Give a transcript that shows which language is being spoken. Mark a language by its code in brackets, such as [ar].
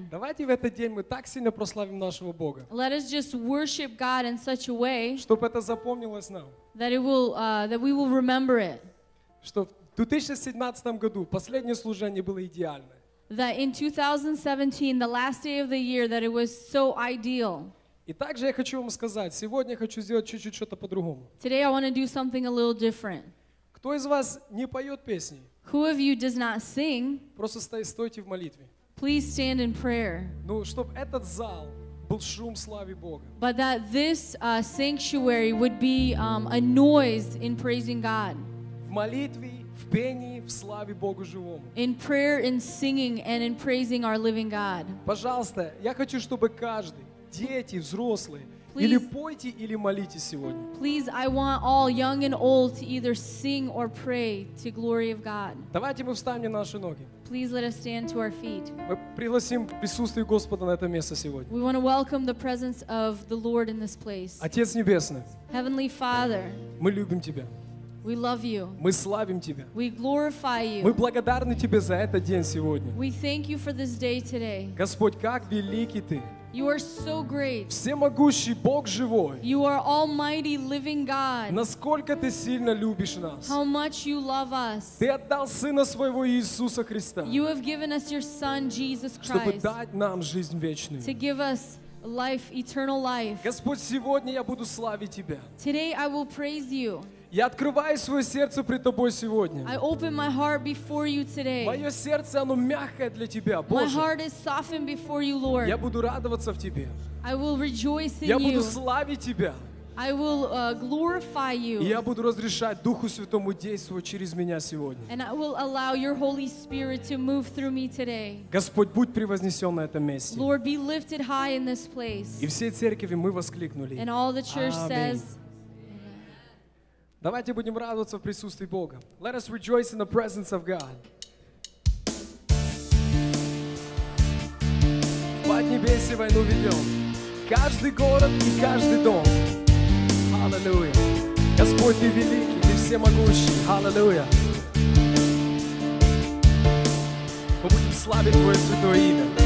[ru] Давайте в этот день мы так сильно прославим нашего Бога. [en] Let us just worship God in such a way. [ru] Чтобы это запомнилось нам. [en] That it will, that we will remember it. [ru] Что в 2017 году последнее служение было идеально. [en] That in 2017, the last day of the year, that it was so ideal. [ru] И также я хочу вам сказать, сегодня я хочу сделать чуть-чуть что-то по-другому. [en] Today I want to do something a little different. [ru] Кто из вас не поет песни? [en] Who of you does not sing? [ru] Просто стойте в молитве. [en] Please stand in prayer. [ru] Ну, чтоб этот зал был шум славы Бога. [en] But that this sanctuary would be a noise in praising God. [ru] В молитве, в пении, в славе Богу живому. [en] In prayer, in singing, and in praising our living God. [ru] Пожалуйста, я хочу, чтобы каждый, дети, взрослые, please, или пойте, или молитесь сегодня. [en] Please, I want all young and old to either sing or pray to glory of God. [ru] Давайте мы встанем на наши ноги. [en] Please let us stand to our feet. [ru] Мы пригласим присутствие Господа на это место сегодня. [en] We want to welcome the presence of the Lord in this place. [ru] Отец Небесный. [en] Heavenly Father. [ru] Мы любим Тебя. [en] We love you. [ru] Мы славим Тебя. [en] We glorify you. [ru] Мы благодарны Тебе за этот день сегодня. [en] We thank you for this day today. [ru] Господь, как великий Ты. [en] You are so great. [ru] Всемогущий Бог живой. [en] You are almighty living God. [ru] Насколько Ты сильно любишь нас. [en] How much you love us. [ru] Ты отдал Сына Своего Иисуса Христа. [en] You have given us your Son, Jesus Christ. [ru] Чтобы дать нам жизнь вечную. [en] To give us life, eternal life. [ru] Господь, сегодня я буду славить Тебя. [en] Today I will praise you. [ru] Я открываю свое сердце пред Тобой сегодня. [en] I open my heart before you today. [ru] Мое сердце, оно мягкое для Тебя, Боже. [en] My heart is softened before you, Lord. [ru] Я буду радоваться в Тебе. [en] I will rejoice in you. [ru] Я буду славить Тебя. [en] I will glorify you. [ru] И я буду разрешать Духу Святому действовать через меня сегодня. [en] And I will allow your Holy Spirit to move through me today. [ru] Господь, будь превознесен на этом месте. [en] Lord, be lifted high in this place. [ru] И все церкви мы воскликнули. [en] And all the church [ru] Аминь. [en] Says, [ru] давайте будем радоваться в присутствии Бога. [en] Let us rejoice in the presence of God. [ru] В поднебесье войну ведем. Каждый город и каждый дом. Аллилуйя. Господь, Ты великий, Ты всемогущий. Аллилуйя. Мы будем славить Твое святое имя.